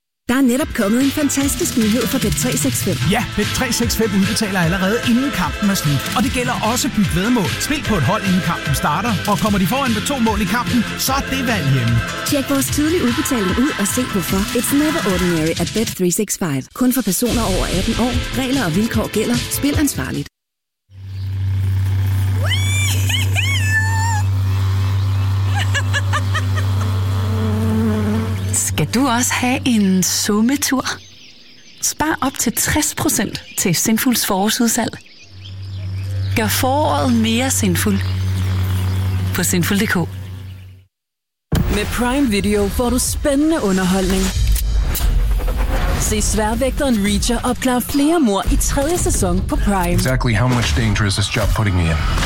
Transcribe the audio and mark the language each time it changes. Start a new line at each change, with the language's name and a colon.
Danish: Der er netop kommet en fantastisk nyhed for Bet365. Ja, Bet365 udbetaler allerede inden kampen er slut. Og det gælder også byg vedmål. Spil på et hold, inden kampen starter. Og kommer de foran med to mål i kampen, så er det valg hjemme. Tjek vores tidlige udbetaling ud og se hvorfor.
English: It's never ordinary at Bet365.
Danish: Kun for personer over 18 år. Regler og vilkår gælder. Spil ansvarligt. Skal du også have en summetur? Spar op til 60% til Sinfuls forårsudsalg. Gør foråret mere sindfuld på sindful.dk. Med Prime Video får du spændende underholdning. Se sværvægteren Reacher opklare flere mord i tredje sæson på Prime.
English: Exactly how much danger is this job putting me in?